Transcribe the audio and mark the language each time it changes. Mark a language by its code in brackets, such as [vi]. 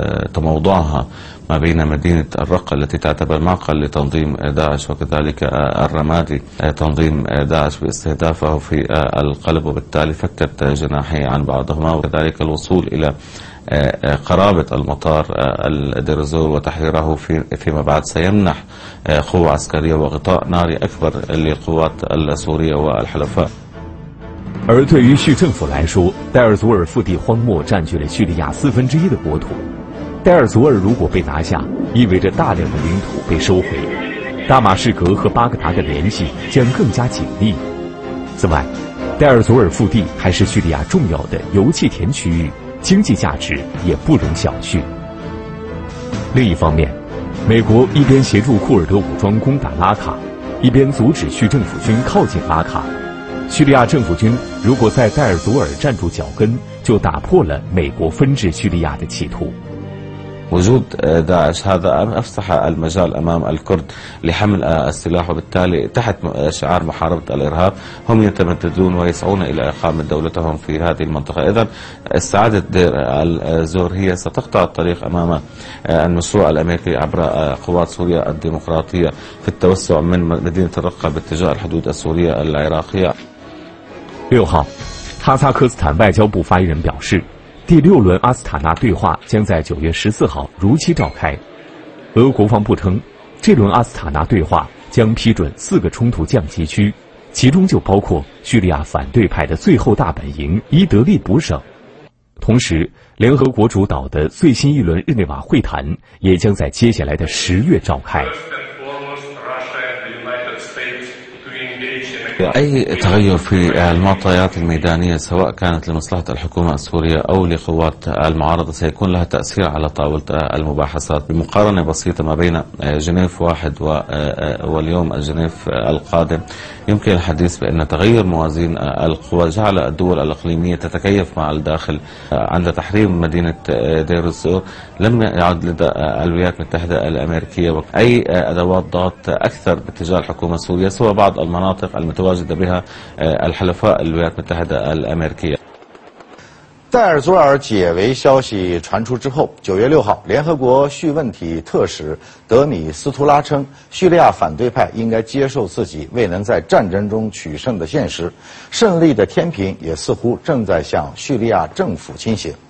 [ar] ما بين مدينة الرقة التي تعتبر معقل لتنظيم داعش وكذلك الرمادي تنظيم داعش باستهدافه في القلب وبالتالي فكت جناحي عن بعضهما وكذلك الوصول إلى قرابة المطار دير الزور وتحريره فيما بعد سيمنح قوة عسكرية وغطاء ناري أكبر للقوات السورية والحلفاء. [zh] 而对于叙政府来说，戴尔祖尔腹地荒漠占据了叙利亚四分之一的国土。戴尔祖尔如果被拿下，意味着大量的领土被收回，大马士革和巴格达的联系将更加紧密。此外，戴尔祖尔腹地还是叙利亚重要的油气田区域，经济价值也不容小觑。另一方面，美国一边协助库尔德武装攻打拉卡，一边阻止叙政府军靠近拉卡。叙利亚政府军如果在戴尔祖尔站住脚跟，就打破了美国分治叙利亚的企图。 [ar] وجود داعش هذا أفسح المجال أمام الكرد لحمل السلاح وبالتالي تحت شعار محاربة الإرهاب هم يتمددون ويسعون إلى إقامة دولتهم في هذه المنطقة إذن استعادة دير الزور هي ستقطع الطريق أمام المشروع الأمريكي عبر قوات سوريا الديمقراطية في التوسع من مدينة الرقة باتجاه الحدود السورية العراقية. [zh] 6号哈萨克斯坦外交部发言人表示，第六轮阿斯塔纳对话将在9月14号如期召开。俄国防部称，这轮阿斯塔纳对话将批准四个冲突降级区，其中就包括叙利亚反对派的最后大本营伊德利卜省。同时，联合国主导的最新一轮日内瓦会谈也将在接下来的十月召开。 [ar] أي تغير في المعطيات الميدانية سواء كانت لمصلحة الحكومة السورية أو لقوات المعارضة سيكون لها تأثير على طاولة المباحثات بمقارنة بسيطة ما بين جنيف واحد واليوم الجنيف القادم يمكن الحديث بأن تغير موازين القوى جعل الدول الإقليمية تتكيف مع الداخل عند تحرير مدينة دير الزور لم يعد لدى الولايات المتحدة الأمريكية أي أدوات ضغط أكثر باتجاه الحكومة السورية سوى بعض المناطق المتواجدة بها الحلفاء الولايات المتحدة الأمريكية [zh] 戴尔·佐尔解围消息传出之后，9月6号，联合国叙问题特使德米斯图拉称，叙利亚反对派应该接受自己未能在战争中取胜的现实，胜利的天平也似乎正在向叙利亚政府倾斜。